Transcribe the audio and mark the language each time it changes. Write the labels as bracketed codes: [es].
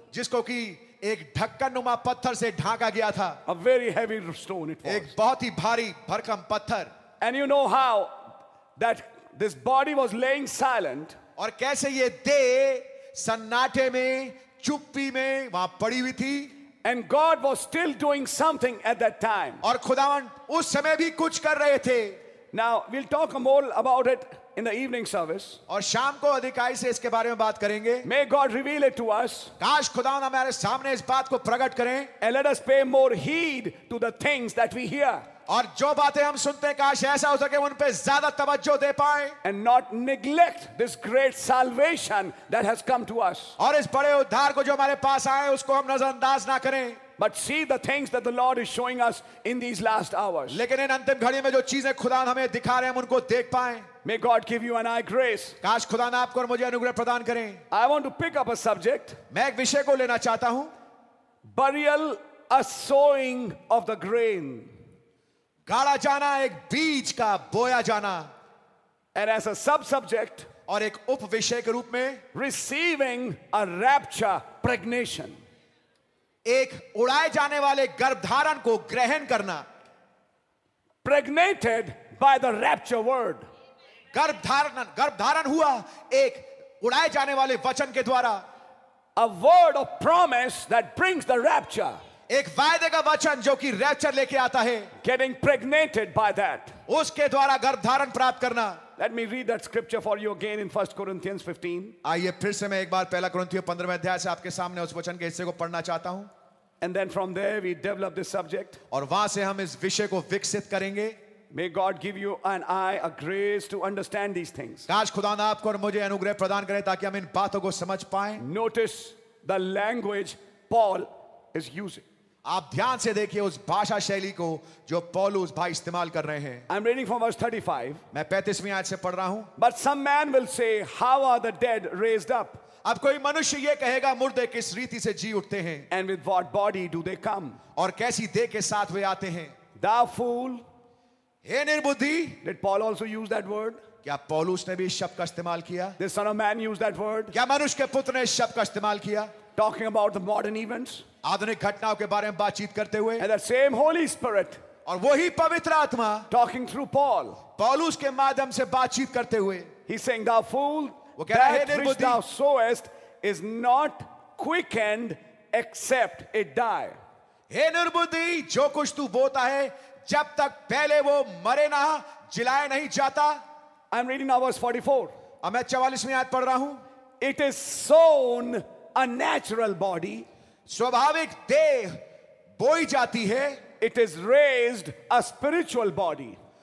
[hi] जिसको कि एक ढक्कन नुमा पत्थर से ढाका गया था. [en] A very heavy stone it was. [hi] एक बहुत ही भारी भरकम पत्थर. [en] And you know how that this body was laying silent. [hi] और कैसे ये देह सन्नाटे में चुप्पी में वहां पड़ी हुई थी. [en] And God was still doing something at that time. [hi] और खुदावन उस समय भी कुछ कर रहे थे. [en] Now we'll talk more about it in the evening service. [hi] और शाम को अधिकाई से इसके बारे में बात करेंगे. [en] May God reveal it to us. [hi] काश खुदावन हमारे सामने इस बात को प्रकट करें. [en] And let us pay more heed to the things that we hear. [hi] और जो बातें हम सुनते हैं काश ऐसा हो सके उन पे ज्यादा तवज्जो दे पाए. [en] And not neglect this great salvation that has come to us. [hi] और इस बड़े उद्धार को जो हमारे पास आए उसको हम नजरअंदाज ना करें. [en] But see the things that the Lord is showing us in these last hours. [hi] लेकिन इन अंतिम घड़ी में जो चीजें खुदावन हमें दिखा रहे हैं हम उनको देख पाए. [en] May God give you an eye grace. [hi] काश खुदा ने आपको और मुझे अनुग्रह प्रदान करें. [en] I want to pick up a subject. [hi] मैं एक विषय को लेना चाहता हूं. [en] Burial, a sowing of the grain. [hi] गाड़ा जाना एक बीज का बोया जाना. [en] And as a sub subject. [hi] और एक उपविषय के रूप में [en] receiving a rapture pregnation [hi] एक उड़ाए जाने वाले गर्भधारण को ग्रहण करना [en] pregnated by the rapture word [hi] गर्भधारण हुआ एक उड़ाए जाने वाले वचन के द्वारा [en] a word of promise that brings the rapture [hi] एक वायदे का वचन जो कि रैप्चर लेके आता है [en] getting pregnated by that [hi] उसके द्वारा गर्भधारण प्राप्त करना [en] Let me read that scripture for you again in 1 Corinthians 15. [hi] आइए फिर से मैं एक बार पहला कुरिन्थियों 15वें अध्याय से आपके सामने उस वचन के हिस्से को पढ़ना चाहता हूं. [en] And then from there we develop this subject. [hi] और वहां से हम इस विषय को विकसित करेंगे. [en] May God give you and I a grace to understand these things. [hi] काश खुदा ना आपको और मुझे अनुग्रह प्रदान करे ताकि हम इन बातों को समझ पाएं. [en] Notice the language Paul is using. [hi] आप ध्यान से देखिए उस भाषा शैली को जो पौलुस भाई इस्तेमाल कर रहे हैं [en] I'm reading from verse 35. [hi] मैं 35वीं आयत से पढ़ रहा हूं [en] But some man will say, How are the dead raised up? [hi] अब कोई मनुष्य ये कहेगा मुर्दे किस रीति से जी उठते हैं [en] And with what body do they come? [hi] और कैसी देह के साथ वे आते हैं [en] Thou fool, [hi] हे निर्बुद्धि [en] Did Paul also use that word? [hi] क्या पौलुस ने भी इस शब्द का इस्तेमाल किया [en] Did son of man use that word? [hi] क्या मनुष्य के पुत्र ने इस शब्द का इस्तेमाल किया [en] Talking about the modern events. [hi] आधुनिक घटनाओं के बारे में बातचीत करते हुए [en] And the same Holy Spirit. [hi] और वही पवित्र आत्मा [en] Talking through Paul. [hi] पौलुस के माध्यम से बातचीत करते हुए [en] He's saying, thou fool, [hi] वो कह रहा है निर्बुद्धि. [en] That which thou sowest is not quickened except it die. [hi] हे निर्बुद्धि, जो कुछ तू बोता है जब तक पहले वो मरे ना जिलाया नहीं जाता [en] I'm reading now verse 44. [hi] अब मैं 44वीं आयत पढ़ रहा हूं [en] It is sown A natural body, [hi] स्वाभाविक देह बोई जाती है [en] It is raised a spiritual body,